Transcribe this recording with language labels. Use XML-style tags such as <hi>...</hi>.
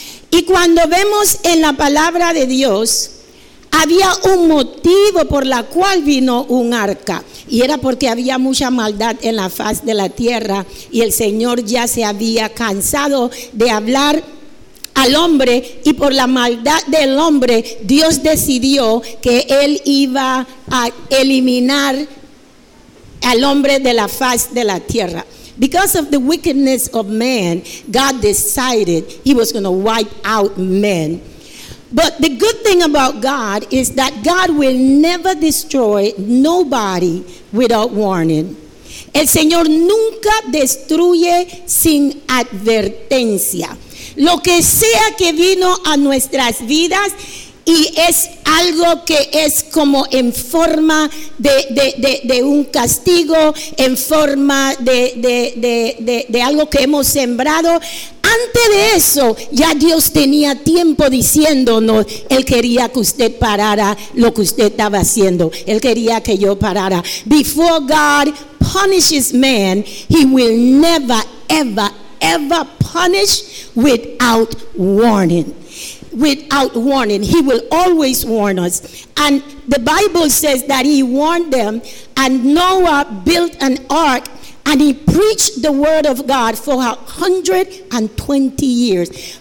<es>Y cuando vemos en la palabra de Dios, había un motivo por la cual vino un arca, y era porque había mucha maldad en la faz de la tierra, y el Señor ya se había cansado de hablar al hombre, y por la maldad del hombre, Dios decidió que Él iba a eliminar al hombre de la faz de la tierra.</es> <en>Because of the wickedness of man, God decided He was going to wipe out men. But the good thing about God is that God will never destroy nobody without warning.</en> <es>El Señor nunca destruye sin advertencia. Lo que sea que vino a nuestras vidas y es algo que es como en forma de un castigo, en forma de algo que hemos sembrado, antes de eso ya Dios tenía tiempo diciéndonos, Él quería que usted parara lo que usted estaba haciendo, Él quería que yo parara.</es> <en>Before God punishes man, He will never, ever, ever punish without warning. Without warning, He will always warn us. And the Bible says that He warned them, and Noah built an ark, and he preached the word of God for 120 years.</en>